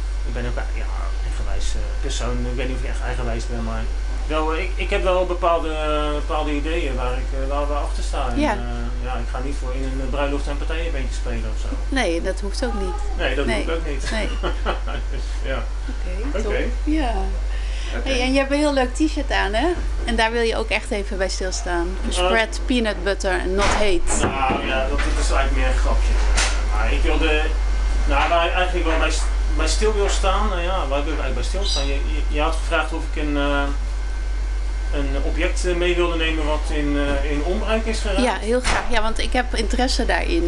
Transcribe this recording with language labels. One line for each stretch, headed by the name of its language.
Dutch: Ik ben ook een eigenwijze persoon. Ik weet niet of ik echt eigenwijs ben, maar wel, ik heb wel bepaalde ideeën waar ik wel achter sta. Ja. Ik ga niet voor in een bruiloft en partijen een beetje spelen of zo. Nee, dat hoeft ook niet. Nee, dat hoeft ook niet. Nee. Ja. Oké. Ja. Okay. Hey, en je hebt een heel leuk t-shirt aan, hè? En daar wil je ook echt even bij stilstaan.
English: Spread peanut butter and not hate.
Dutch: Nou ja, dat is eigenlijk meer een grapje. Maar ik wilde. Nou, waar ik eigenlijk wel bij stil wil staan. Nou ja, waar wil ik eigenlijk bij stilstaan? Je had gevraagd of ik een object mee wilde nemen wat in onbruik is geraakt. Ja, heel graag. Ja, want ik heb interesse daarin.